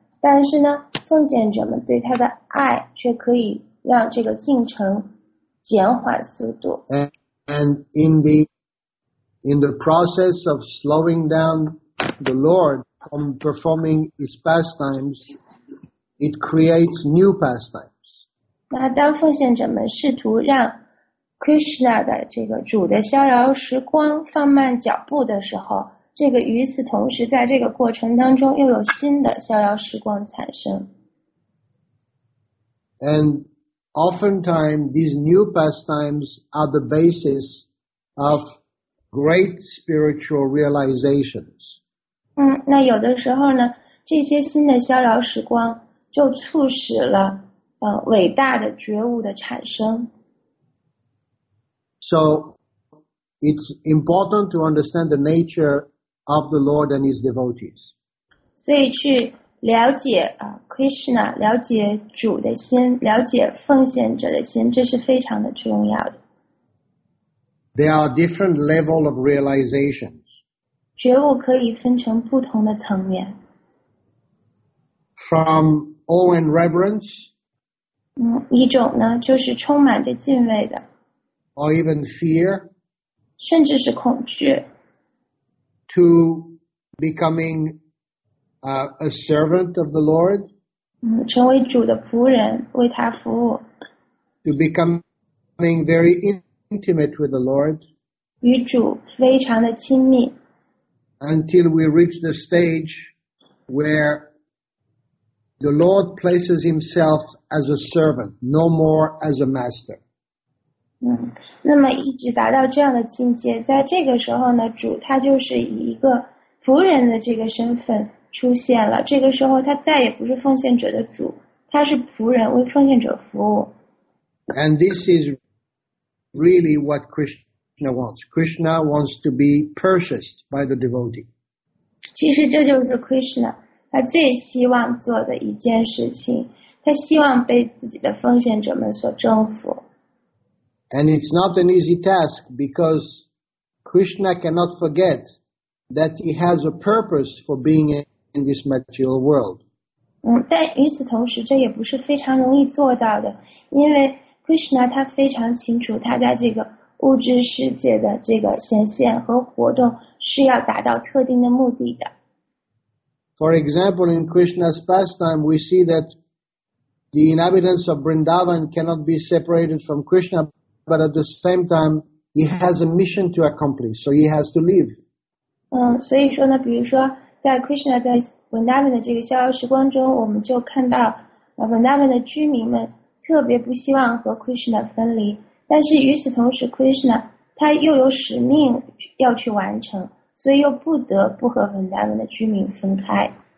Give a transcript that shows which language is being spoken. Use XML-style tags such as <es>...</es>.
<zh>但是呢，奉献者们对他的爱却可以让这个进程减缓速度。</zh> <en>And in the process of slowing down the Lord from performing his pastimes, it creates new pastimes.</en> <zh>那当奉献者们试图让Krishna 的这个主的逍遥时光放慢脚步的时候，这个与此同时，在这个过程当中又有新的逍遥时光产生。</zh> <en>And oftentimes these new pastimes are the basis of great spiritual realizations.</en> <zh>那有的时候呢，这些新的逍遥时光就促使了伟大的觉悟的产生。</zh> <en>So it's important to understand the nature of the Lord and his devotees.</en> <zh>所以去了解Krishna, 了解主的心，了解奉献者的心，这是非常的重要的。</zh> <en>There are different level of realizations.</en> <zh>觉悟可以分成不同的层面。</zh> <en>From awe and reverence.</en> <zh>一种呢，就是充满着敬畏的。</zh> <en>Or even fear,</en> <zh>甚至是恐惧</zh> <en>to becoming a servant of the Lord,</en> <zh>成为主的仆人，为他服务</zh> <en>to becoming very intimate with the Lord.</en> <zh>与主非常的亲密。</zh> <en>Until we reach the stage where the Lord places himself as a servant, no more as a master.</en> <zh>那么一直达到这样的境界，在这个时候呢，主他就是以一个仆人的这个身份出现了。这个时候他再也不是奉献者的主，他是仆人，为奉献者服务。</zh> <en>And this is really what Krishna wants. Krishna wants to be purchased by the devotee.</en> <zh>其实这就是 Krishna 他最希望做的一件事情，他希望被自己的奉献者们所征服。</zh> <en>And it's not an easy task because Krishna cannot forget that he has a purpose for being in this material world.</en> <zh>但与此同时，这也不是非常容易做到的，因为Krishna 他非常清楚他在这个物质世界的这个显现和活动是要达到特定的目的的。</zh> <en>For example, in Krishna's pastime, we see that the inhabitants of Vrindavan cannot be separated from Krishna, but at the same time, he has a mission to accomplish, so he has to leave.</en> <zh>所以说呢，比如说在 Krishna 在 Vrindavan 的这个逍遥时光中，我们就看到 Vrindavan 的居民们特别不希望和 Krishna 分离，但是与此同时 ，Krishna 他又有使命要去完成，所以又不得不和 Vrindavan 的居民分开。</zh>